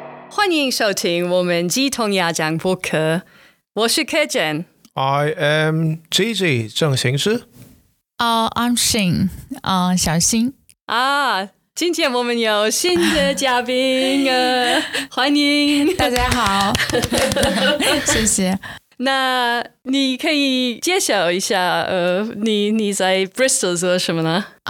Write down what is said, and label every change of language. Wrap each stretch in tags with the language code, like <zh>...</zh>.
<zh>欢迎收听我们鸡同鸭讲播客，我是 Kajan。</zh> <en>I am Gigi 郑行之。 I'm Shin 小新。</en> <zh>今天我们有新的嘉宾欢迎大家好谢谢。那你可以介绍一下你在 Bristol 做什么呢？</zh>